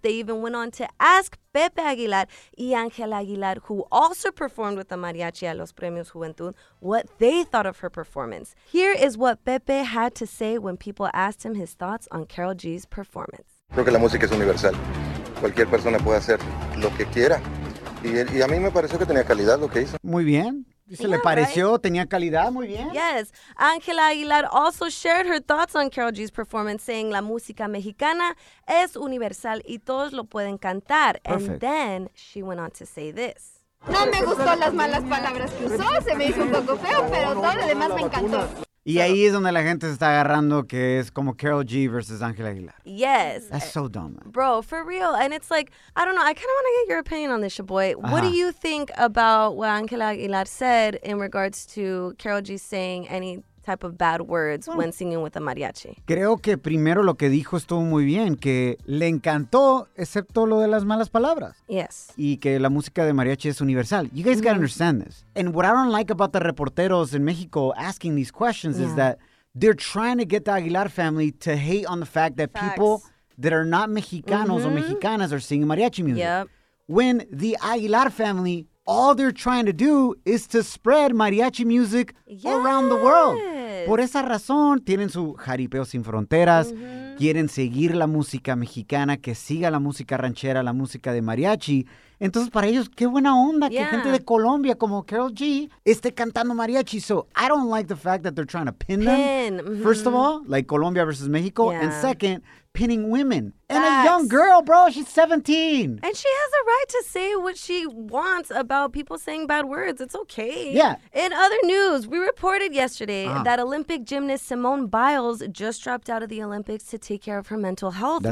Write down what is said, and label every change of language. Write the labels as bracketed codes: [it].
[en] They even went on to ask Pepe Aguilar y Ángela Aguilar, who also performed with the mariachi at los premios Juventud, what they thought of her performance. Here is what Pepe had to say when people asked him his thoughts on Karol G's performance. [es] Creo que la música es universal. Cualquier persona puede hacer lo que quiera. Y a mí me pareció que tenía calidad lo que hizo. Muy bien. Se le pareció, right? Tenía calidad, muy bien. [en] Yes. Ángela Aguilar also shared her thoughts on Karol G's performance, saying [es] la música mexicana es universal y todos lo pueden cantar. [en] Perfect. And then she went on to say this. [es] No me gustó las malas palabras que usó, se me hizo un poco feo, pero todo lo demás me encantó. Y ahí es donde la gente se está agarrando, que es como Karol G versus Ángela Aguilar. [en] Yes. That's so dumb, man. Bro, for real. And it's like, I don't know, I kind of want to get your opinion on this, Shaboy. Uh-huh. What do you think about what Ángela Aguilar said in regards to Karol G saying any type of bad words when singing with a mariachi? [es] Creo que primero lo que dijo estuvo muy bien, que le encantó, excepto lo de las malas palabras. [en] Yes. [es] Y que la música de mariachi es universal. [en] You guys gotta understand this. And what I don't like about the reporteros in Mexico asking these questions is that they're trying to get the Aguilar family to hate on the fact that people that are not Mexicanos or Mexicanas are singing mariachi music. Yep. When the Aguilar family, all they're trying to do is to spread mariachi music around the world. [es] Por esa razón, tienen su jaripeo sin fronteras, quieren seguir la música mexicana, que siga la música ranchera, la música de mariachi. Entonces, para ellos, qué buena onda que gente de Colombia como Karol G esté cantando mariachi. [en] So, I don't like the fact that they're trying to pin them. First of all, like Colombia versus Mexico. Yeah. And second, pinning women. And a young girl, bro. She's 17. And she has a right to say what she wants about people saying bad words. It's okay. Yeah. In other news, we reported yesterday that Olympic gymnast Simone Biles just dropped out of the Olympics to take care of her mental health,